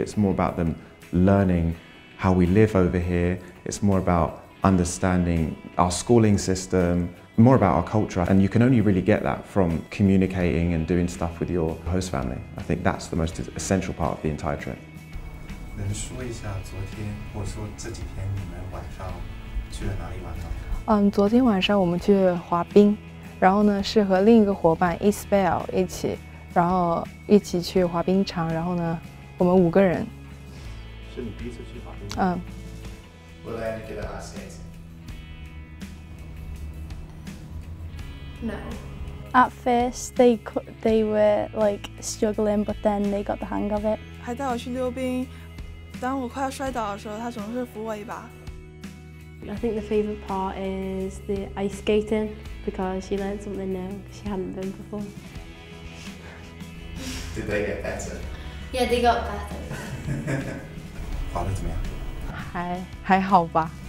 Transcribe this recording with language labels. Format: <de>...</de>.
<en>It's more about them learning how we live over here. It's more about understanding our schooling system, more about our culture. And you can only really get that from communicating and doing stuff with your host family. I think that's the most essential part of the entire trip.</en> <zh>能说一下昨天或者说这几天你们晚上去了哪里玩吗？昨天晚上我们去滑冰，然后呢是和另一个伙伴 Isabel 一起，然后一起去滑冰场，然后呢我们五个人。是你第一次去滑冰场？</zh> <en>Will I get an accent? No. At first they were like struggling, but then they got the hang of it.</en> <zh>还带我去溜冰，当我快要摔倒的时候，他总是扶我一把。</zh> <en>I think the favorite part is the ice skating because she learned something new she hadn't done before. Did they get better? Yeah, they got better.</en> <zh>滑得怎么样？还好吧，</zh>